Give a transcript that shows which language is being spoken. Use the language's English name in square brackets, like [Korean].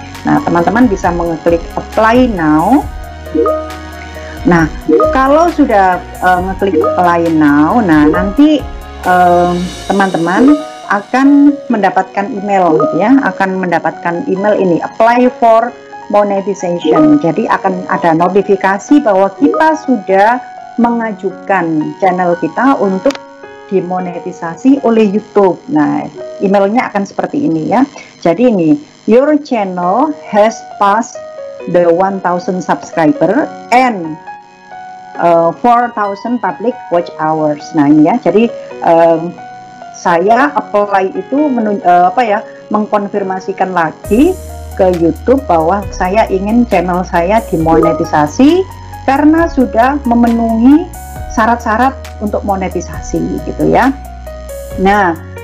[Indonesian] Nah, teman-teman bisa mengeklik apply now. Nah, kalau sudah mengeklik apply now, nah nanti teman-teman akan mendapatkan email gitu ya, akan mendapatkan email ini, [English] apply for monetization. [Indonesian] Jadi akan ada notifikasi bahwa kita sudah mengajukan channel kita untuk dimonetisasi oleh YouTube. Nah, emailnya akan seperti ini ya. Jadi ini, [English] your channel has passed the 1000 subscriber and 4000 public watch hours. [Indonesian] Nah, ini ya. Jadi saya apply itu mengkonfirmasikan lagi ke YouTube bahwa saya ingin channel saya dimonetisasi karena sudah memenuhi syarat-syarat untuk monetisasi gitu ya. Nah,